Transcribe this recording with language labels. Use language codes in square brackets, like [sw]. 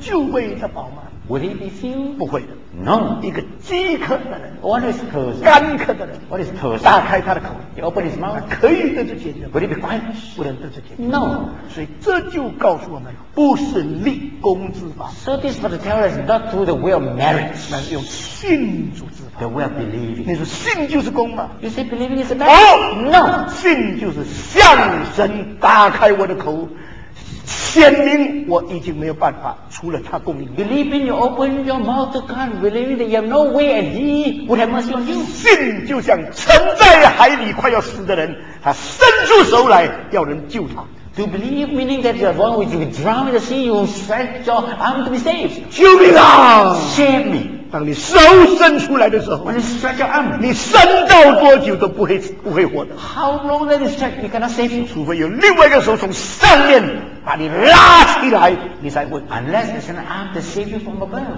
[zh] 就为他饱满。 [en] Would he be filled？ [zh] 不会的 [en] ，No。 [zh] 一个饥渴的人 [en] ，What is thirst？ [zh] 干渴的人 [en] ，What is thirst？ [zh] 打开他的口 [en] ，He opened his mouth， [zh] 可以得着解决。 [en] Would he be quenched？ [zh] 不能得着解决 [en] ，No。 [zh] 所以这就告诉我们，不是立功之法。 [en] So this but tell us not through the will merit， [zh] 乃是用信主之法。 [en] The will believe。 [zh] 你说信就是功吗 [en] ？You say believing is merit？哦，No。 [zh] 信就是向神打开我的口。显明我已经没有办法，除了他供应。 [en] Believing you open your mouth to God, believing that you have no way and He would have mercy on you. [zh] 信就像沉在海里快要死的人，他伸出手来要人救他。 [en] To believe meaning that you are one which you will drown in the sea, you will stretch your arm to be saved. [zh] 救命啊！ [en] Save me. [zh] 当你手伸出来的时候， [en] When you stretch your arm, [zh] 你伸到多久都不会活的。 [en] How long that is stretched, you cannot save you. [zh] 除非有另外一个手从上面把你拉起来，你才会。 [en] Unless there's an arm to save you from above.